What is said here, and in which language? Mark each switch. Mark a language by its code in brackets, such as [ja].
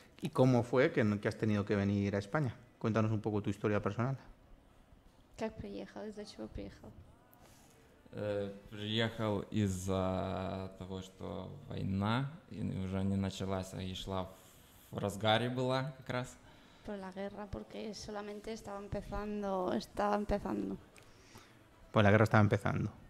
[es] ¿Y cómo fue que has tenido que venir a España? Cuéntanos un poco tu historia personal. [ru] Как приехал? Из-за чего приехал? Приехал из-за того, что война уже не началась, а и шла в разгаре была как раз. [es] Por la guerra, porque solamente estaba empezando. Pues la guerra estaba empezando.